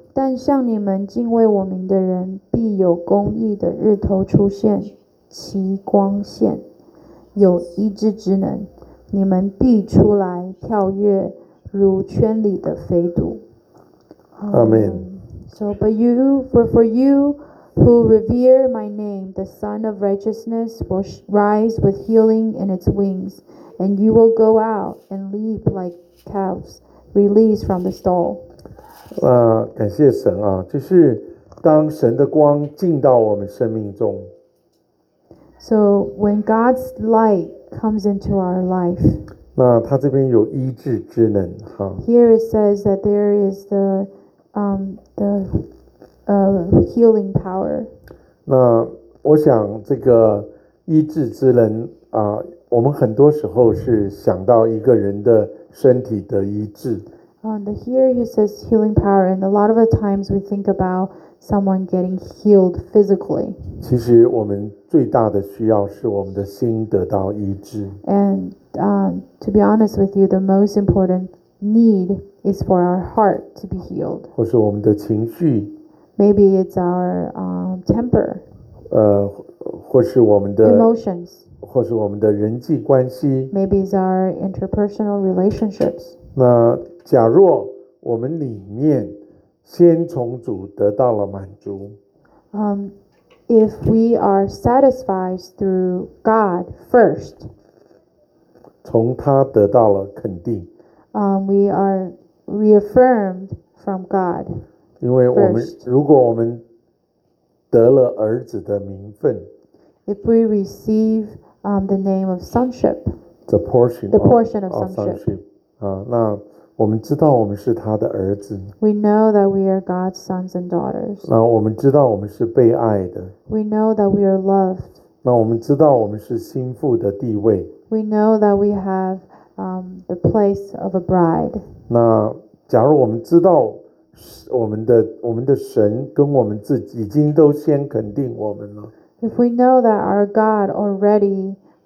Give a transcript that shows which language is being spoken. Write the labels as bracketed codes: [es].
[zh] 但像你们敬畏我名的人，必有公义的日头出现，其光线有医治之能，你们必出来跳跃，如圈里的飞犊。 [en] Amen. So, but you, for you who revere my name, the Sun of Righteousness will rise with healing in its wings, and you will go out and leap like calves released from the stall. [zh] 感谢神啊，就是当神的光进到我们生命中。 [en] So when God's light comes into our life, [zh] 那他这边有医治之能哈。 [en] Here it says that there is the healing power. [zh] 那我想这个医治之能啊，我们很多时候是想到一个人的身体的医治。 [en] Here he says healing power, and a lot of the times we think about someone getting healed physically. [zh] 其实我们最大的需要是我们的心得到医治。 [en] And to be honest with you, the most important need is for our heart to be healed. [zh] 或是我们的情绪。 [en] Maybe it's our temper. [zh] 或是我们的 [en] emotions， [zh] 或是我们的人际关系 [en] maybe it's our interpersonal relationships。 [zh] 那假若我们里面先从主得到了满足， [en] If we are satisfied through God first， [zh] 从他得到了肯定， [en] We are reaffirmed from God。 [zh] 因为我们如果我们得了儿子的名分， [en] If we receive the name of sonship， The portion of sonship， [zh] 那我们知道我们是他的儿子。 [en] We know that we are God's sons and daughters。 [zh] 那我们知道我们是被爱的。 [en] We know that we are loved。 [zh] 那我们知道我们是心腹的地位。 [en] We know that we have the place of a bride。 [zh] 那假如我们知道我们的神跟我们自己已经都先肯定我们了。 [en] If we know that our God already